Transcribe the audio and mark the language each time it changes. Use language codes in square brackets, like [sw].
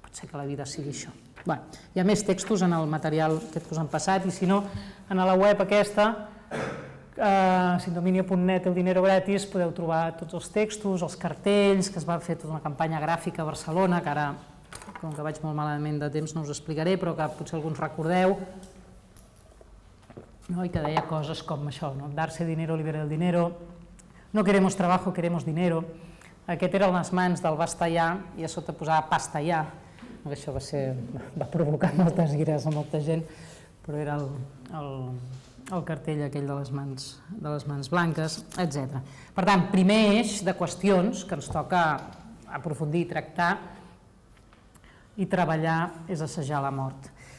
[ca] Potser que la vida sigui això. Bueno, hi ha més textos en el material que us han passat, i si no, en la web aquesta, sindominio.net, el Dinero Gratis, podeu trobar tots els textos, els cartells, que es va fer tota una campanya gràfica a Barcelona, que ara, com que vaig molt malament de temps, no us explicaré, però que potser alguns recordeu, no? I que deia coses com això, no? [es] Darse dinero, libera el dinero, no queremos trabajo, queremos dinero. [ca] Aquest era les mans del Bastallà, i a sota posava Pastallà, això va provocar moltes gires a molta gent, però era el cartell aquell de les mans blanques, etc. Per tant, primer eix de qüestions que ens toca aprofundir i tractar i treballar és assajar la mort.